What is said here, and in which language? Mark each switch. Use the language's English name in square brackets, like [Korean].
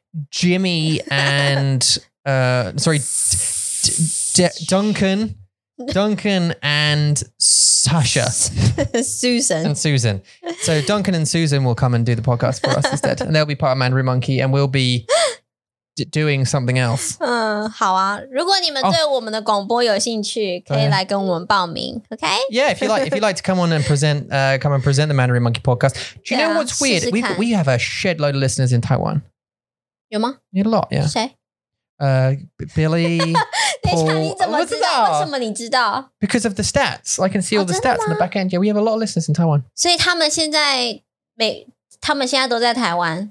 [English] Jimmy and Duncan. Duncan and Sasha. Susan. And Susan. So Duncan and Susan will come and do the podcast for us instead. And they'll be part of Mandarin Monkey and we'll be doing something else. [Chinese] 好啊,如果你们对我们的广播有兴趣, 可以来跟我们报名, [English] okay? Yeah, if you'd like to come on and present, come and present the Mandarin Monkey podcast. Do you know what's weird? We have a shed load of listeners in Taiwan. [Chinese] 有吗? [English] Need a lot, yeah. [Chinese] 谁? [English] Billy, Paul. [Chinese] 等一下,你怎么知道? [English] Because of the stats. I can see all the stats in the back end. Yeah, we have a lot of listeners in Taiwan. [Chinese] 所以他们现在都在台湾?